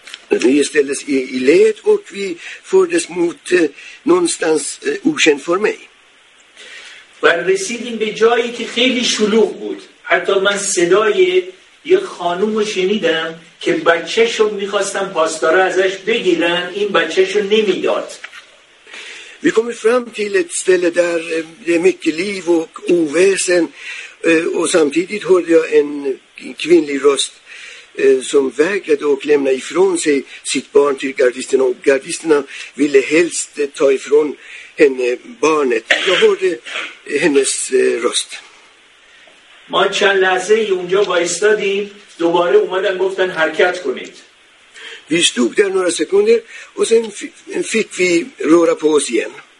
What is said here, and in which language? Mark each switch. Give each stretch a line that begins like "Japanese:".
Swedish: Vi ställdes i led och vi fördes mot någonstans okänd för mig.
Persian: یه خانوم رو شنیدم که بچهش رو میخواستم پاسداره ازش بگیرن، این بچهش رو نمیداد.
Swedish: Vi kommer fram till ett ställe där det är mycket liv och oväsen och samtidigt hörde jag en kvinnlig röst som vägrade att lämna ifrån sig sitt barn till gardisterna och gardisterna ville helst ta ifrån henne barnet. Jag hörde hennes röst.
Persian: ما چند لحظه اونجا وایستادیم، دوباره اومدن گفتن حرکت کنید.
Swedish: Vi stod där några sekunder och sen fick vi röra på oss igen.